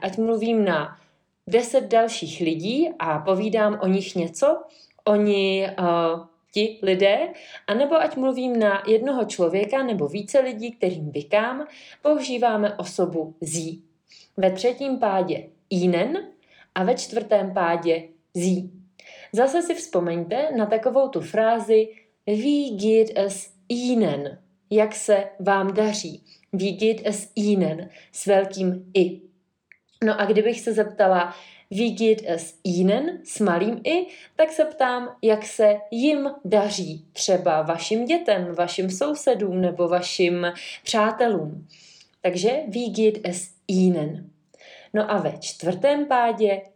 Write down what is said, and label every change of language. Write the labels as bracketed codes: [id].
[cs] Ať mluvím na 10 dalších lidí a povídám o nich něco, oni lidé, anebo ať mluvím na jednoho člověka nebo více lidí, kterým vykám, používáme osobu sie. Ve třetím pádě ihnen a ve čtvrtém pádě sie. Zase si vzpomeňte na takovou tu frázi [de] wie geht es ihnen, [cs] jak se vám daří. [de] Wie geht es ihnen [cs] s velkým i. No a kdybych se zeptala [de] wie geht es ihnen [cs] s malým i, tak se ptám, jak se jim daří třeba vašim dětem, vašim sousedům nebo vašim přátelům. Takže [de] wie geht es ihnen. [cs] No a ve čtvrtém pádě